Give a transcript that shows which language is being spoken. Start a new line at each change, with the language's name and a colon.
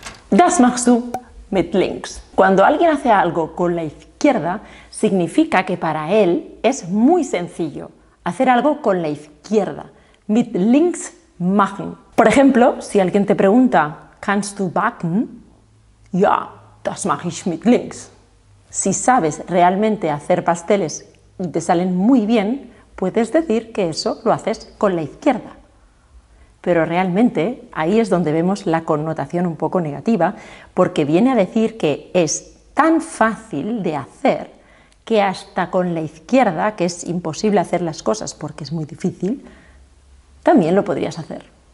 German: Das machst du mit links.
Spanish: Cuando alguien hace algo con la izquierda, significa que para él es muy sencillo hacer algo con la izquierda.
German: Mit links machen.
Spanish: Por ejemplo, si alguien te pregunta,
German: kannst du backen? Ja, das mache ich mit links.
Spanish: Si sabes realmente hacer pasteles y te salen muy bien, puedes decir que eso lo haces con la izquierda. Pero realmente ahí es donde vemos la connotación un poco negativa, porque viene a decir que es tan fácil de hacer que hasta con la izquierda, que es imposible hacer las cosas porque es muy difícil, también lo podrías hacer.